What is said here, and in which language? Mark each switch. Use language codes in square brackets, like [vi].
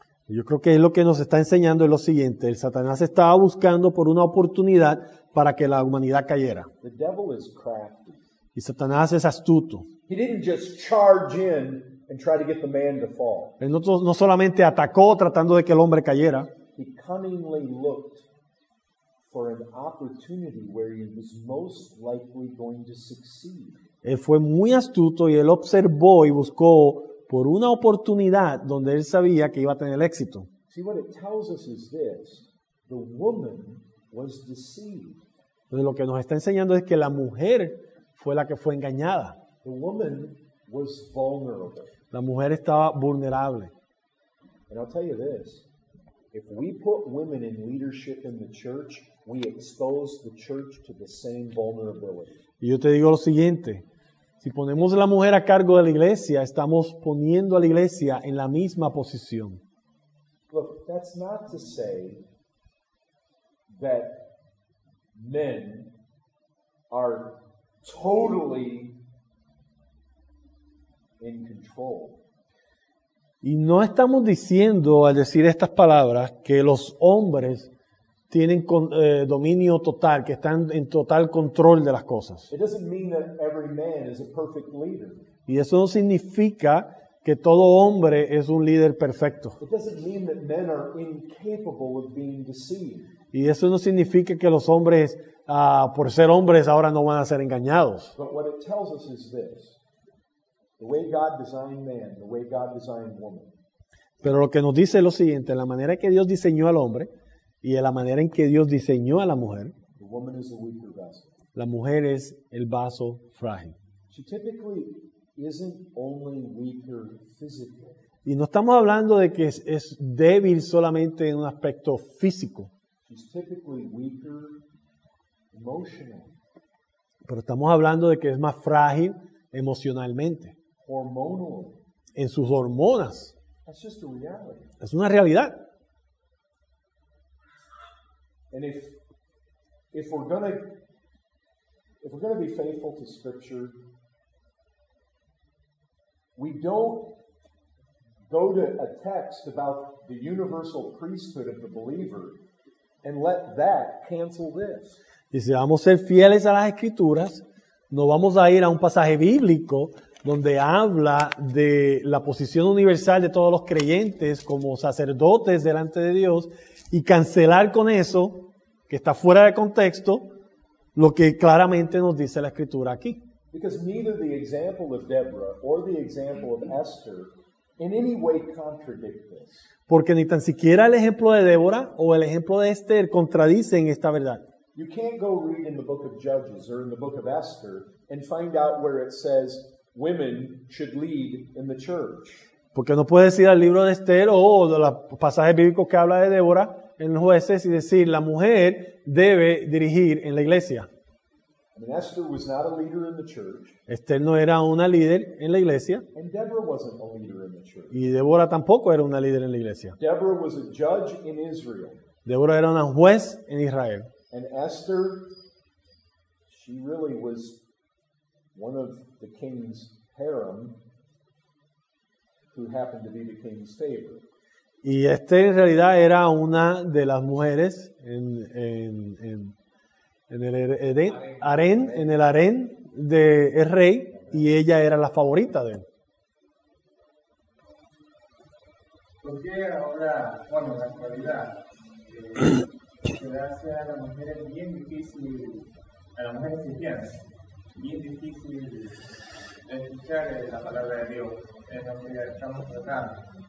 [es] Yo creo que es lo que nos está enseñando es lo siguiente. El Satanás estaba buscando por una oportunidad para que la humanidad cayera. [en] The devil is crafty. [es] Y Satanás es astuto. [en] He didn't just charge in and try to get the man to fall. [es] Él no solamente atacó tratando de que el hombre cayera. [en] He cunningly looked for an opportunity where he was most likely going to succeed. [es] Él fue muy astuto y él observó y buscó por una oportunidad donde él sabía que iba a tener éxito. [en] See, what it tells us is this. The woman was deceived. [es] Entonces, lo que nos está enseñando es que la mujer fue la que fue engañada. [en] The woman was vulnerable. [es] La mujer estaba vulnerable. [en] And I'll tell you this. If we put women in leadership in the church, we expose the church to the same vulnerability. [es] Y yo te digo lo siguiente, si ponemos a la mujer a cargo de la iglesia, estamos poniendo a la iglesia en la misma posición. [en] Look, that's not to say that men are totally in control. [es] Y no estamos diciendo, al decir estas palabras, que los hombres tienen dominio total, que están en total control de las cosas. [en] It doesn't mean that every man is a perfect leader. [es] Y eso no significa que todo hombre es un líder perfecto. [en] It doesn't mean that men are incapable of being deceived. [es] Y eso no significa que los hombres, por ser hombres, ahora no van a ser engañados. [en] But what it tells us is this. The way God designed man, the way God designed woman. [es] Pero lo que nos dice es lo siguiente, la manera que Dios diseñó al hombre, y de la manera en que Dios diseñó a la mujer, [en] the woman is a weaker vessel. [es] La mujer es el vaso frágil. [en] She typically isn't only weaker physically. [es] Y no estamos hablando de que es débil solamente en un aspecto físico. [en] She's typically weaker emotionally. [es] Pero estamos hablando de que es más frágil emocionalmente. [en] Hormonally. [es] En sus hormonas. [en] That's just a reality. [es] Es una realidad. [en] And if we're gonna be faithful to Scripture, we don't go to a text about the universal priesthood of the believer and let that cancel this. [es] Y si vamos a ser fieles a las Escrituras, no vamos a ir a un pasaje bíblico donde habla de la posición universal de todos los creyentes como sacerdotes delante de Dios y cancelar con eso, que está fuera de contexto, lo que claramente nos dice la Escritura aquí. [en] Because neither the example of Deborah or the example of Esther in any way contradict this. [es] Porque ni tan siquiera el ejemplo de Débora o el ejemplo de Esther contradicen esta verdad. [en] You can't go read in the book of Judges or in the book of Esther and find out where it says women should lead in the church. [es] Porque no puedes ir al libro de Esther o de los pasajes bíblicos que habla de Débora en los jueces y decir la mujer debe dirigir en la iglesia. [en] I mean, Esther was not a leader in the church. [es] Esther no era una líder en la iglesia. [en] And Deborah wasn't a leader in the church. [es] Y Débora tampoco era una líder en la iglesia. [en] Deborah was a judge in Israel. [es] Débora era una juez en Israel. [en] And Esther, she really was one of the king's harem who happened to be the king's favorite. [es] Y Esther en realidad era una de las mujeres en el harén del rey y ella era la favorita de él. ¿Por qué ahora, bueno, en la actualidad, se hace a la mujer bien difícil, a la mujer cristiana, bien difícil escuchar la palabra de Dios en lo que estamos tratando?